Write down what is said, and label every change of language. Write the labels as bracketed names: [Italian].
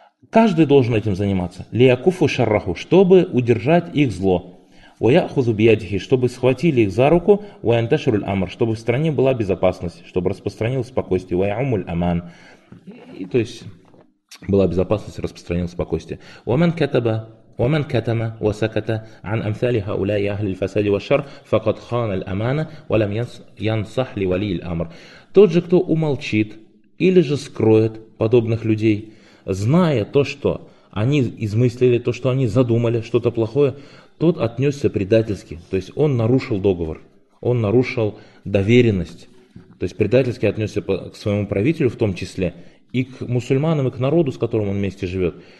[Russian] Каждый должен этим заниматься. [Arabic] Лиякуфу шарраху, [Russian] чтобы удержать их зло. [Arabic] Ваяхузу биядихи, [Russian] чтобы схватили их за руку. [Arabic] Ваянташруль амр, [Russian] чтобы в стране была безопасность, чтобы распространилось спокойствие. [Arabic] Ваяумуль аман. [Russian] И то есть была безопасность, распространилось спокойствие. [Arabic] Вамен кетаба. ومن كتم وسكت عن أمثال هؤلاء أهل الفساد والشر فقد خان الأمانة ولم ينصح لولي الأمر. [Russian] Тот же, кто умолчит или же скроет подобных людей, зная то, что они измыслили, то, что они задумали что-то плохое, тот отнесся предательски. То есть он нарушил договор, он нарушил доверенность. То есть предательски отнесся к своему правителю в том числе и к мусульманам, и к народу, с которым он вместе живет.